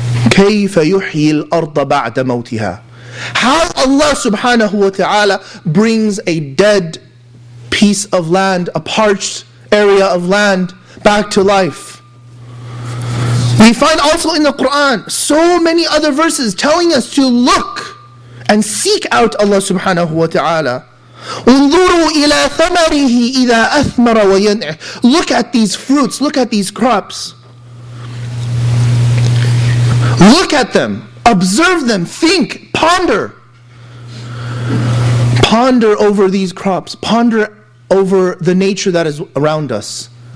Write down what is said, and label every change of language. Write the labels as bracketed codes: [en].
[ar] كَيْفَ يُحْيِي الْأَرْضَ بَعْدَ مَوْتِهَا. [en] How Allah subhanahu wa ta'ala brings a dead piece of land, a parched area of land, back to life. We find also in the Quran so many other verses telling us to look and seek out Allah subhanahu wa ta'ala. [ar] انظروا إلى ثمره إذا أثمر وينع. [en] Look at these fruits, look at these crops. Look at them, observe them, think, ponder. Ponder over these crops, ponder over the nature that is around us.